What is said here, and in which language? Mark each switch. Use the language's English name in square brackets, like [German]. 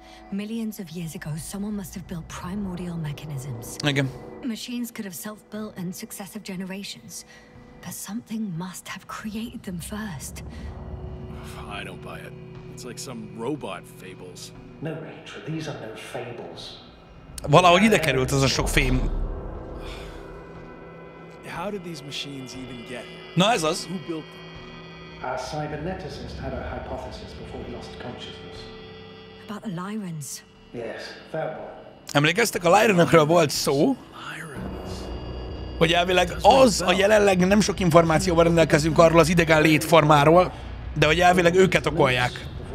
[English] Millions of years ago, someone must have built primordial mechanisms. Again. Machines could have self-built in successive generations, but something must have created them first. I don't buy it. It's like some robot fables. No, Rachel, these are no fables. [Hungarian] Valahogy ide került ez a sok fém. [English] How did these machines even get? [Hungarian] Na ez az. [English] Who built them? Our cyberneticist had a hypothesis before he lost consciousness. About the Lyrans. Yes, that one. [Hungarian] Emlékeztek, a Lyranokról volt szó, hogy elvileg az a jelenleg nem sok információval rendelkezünk arról az idegen létformáról, de hogy elvileg őket okolják.